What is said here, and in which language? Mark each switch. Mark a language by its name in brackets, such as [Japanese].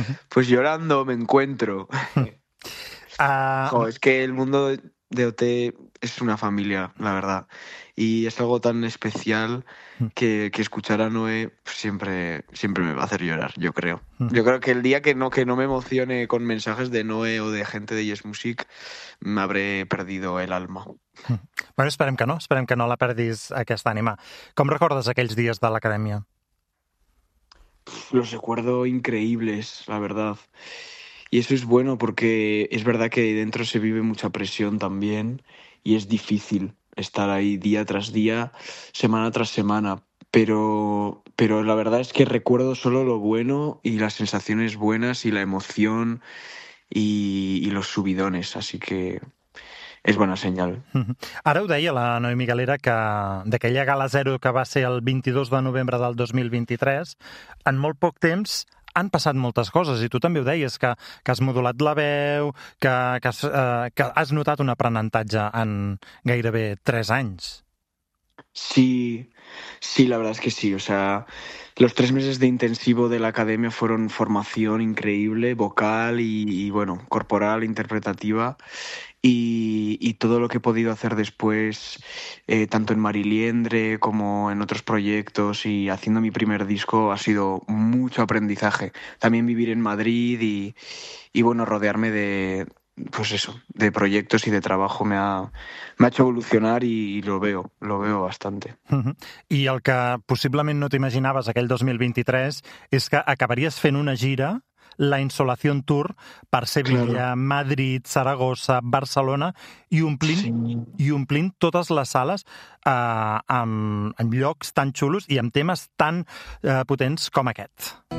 [Spanish] Pues llorando me encuentro. Es que el mundo de OT es una familia, la verdad. Y es algo tan especial... Que escuchar a Noé siempre me va a hacer llorar, yo creo. Yo creo que el día que no me emocione con mensajes de Noé o de gente de Yes Music, me habré perdido el alma. [Catalan] Bueno, esperem que no la perdis, aquesta ànima. Com recordes aquells dies de l'acadèmia? [Spanish] Los recuerdo increíbles, la verdad. Y eso es bueno porque es verdad que dentro se vive mucha presión también y es difícil estar ahí día tras día, semana tras semana. Pero la verdad es que recuerdo solo lo bueno y las sensaciones buenas y la emoción y los subidones. Así que es buena señal. [Catalan] Ara ho deia la Noemí Galera, que d'aquella gala zero que va ser el 22 de novembre del 2023, en molt poc temps han passat moltes coses, i tu també ho deies, que has modulat la veu, que has notat un aprenentatge en gairebé 3 anys. [Spanish] Sí, la verdad es que sí. O sea, los 3 meses de intensivo de la academia fueron formación increíble, vocal y bueno, corporal, interpretativa, y todo lo que he podido hacer después, tanto en Mariliendre como en otros proyectos y haciendo mi primer disco, ha sido mucho aprendizaje. También vivir en Madrid y bueno, rodearme de... pues eso, de proyectos y de trabajo me ha hecho evolucionar y lo veo bastante. [Catalan] I el que possiblement no t'imaginaves aquell 2023 és que acabaries fent una gira la Insolación Tour per Sevilla, claro. Madrid, Saragossa, Barcelona, i omplint, sí. I omplint totes les sales amb llocs tan xulos i amb temes tan potents com aquest.